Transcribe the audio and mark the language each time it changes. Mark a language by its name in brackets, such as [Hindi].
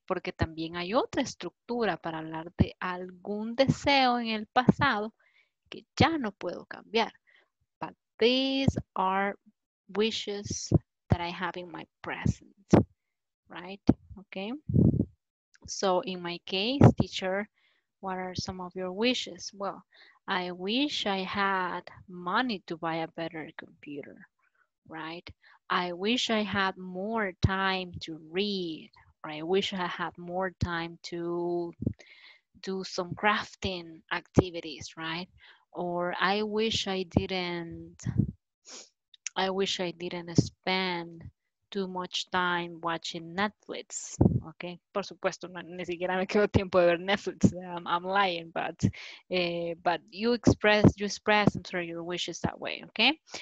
[Spanish] Porque también hay otra estructura para hablar de algún deseo en el pasado que ya no puedo cambiar. [English] But these are wishes that I have in my present, right? Okay? So in my case, teacher, what are some of your wishes? Well, I wish I had money to buy a better computer, right? I wish I had more time to read, or I wish I had more time to do some crafting activities, right? Or I wish I didn't spend too much time watching Netflix, okay? [Spanish] Por supuesto, ni siquiera me quedo tiempo de ver Netflix. [English] I'm lying, but you express and throw your wishes that way, okay?